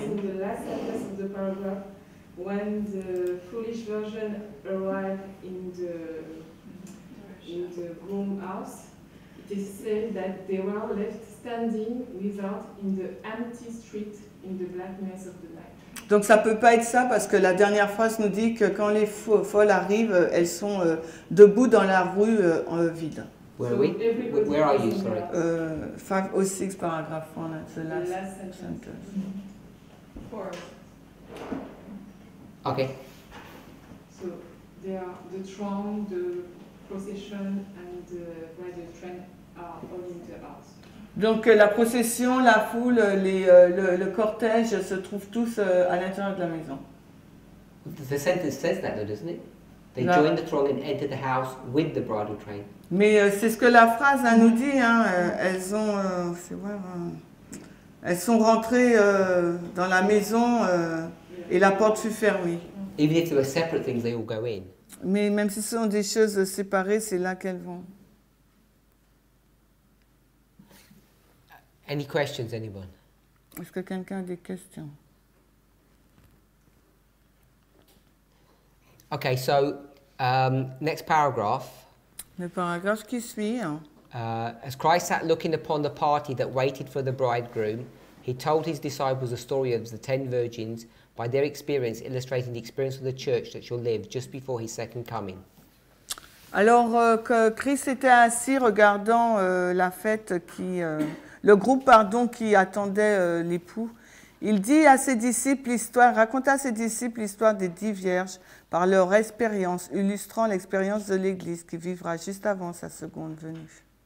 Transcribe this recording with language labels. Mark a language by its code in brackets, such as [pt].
[en] In the last sentence of the paragraph, when the foolish virgin arrived in the groom house, it is said that they were left standing without in the empty street in the blackness of the night. [fr] Donc ça ne peut pas être ça parce que la dernière phrase nous dit que quand les folles arrivent, elles sont debout dans la rue vide. [en] Where are you? Sorry. 506 paragraph 4, that's the last sentence. Four. Okay. So they are the throng, the procession, and the bridal train are all in the house. [fr] Donc la procession, la foule, le cortège se trouvent tous à l'intérieur de la maison. [en] The sentence says that, though, doesn't it? They no. Join the throng and enter the house with the bridal train. [fr] Mais c'est ce que la phrase nous dit, hein. Elles ont, c'est vrai, elles sont rentrées dans la maison et la porte fut fermée. [en] Even if they were separate things, they all go in. [fr] Mais même si ce sont des choses séparées, c'est là qu'elles vont. [en] Any questions, anyone? [fr] Est-ce que quelqu'un a des questions? [en] Okay, so next paragraph. [fr] Le paragraphe qui suit. [en] As Christ sat looking upon the party that waited for the bridegroom, he told his disciples the story of the 10 virgins by their experience, illustrating the experience of the church that shall live just before his second coming. [fr] Alors que Christ était assis regardant la fête qui le groupe pardon qui attendait l'époux, il dit à ses disciples l'histoire, raconta à ses disciples l'histoire des 10 vierges par leur expérience, illustrant l'expérience de l'Église qui vivra juste avant sa seconde venue.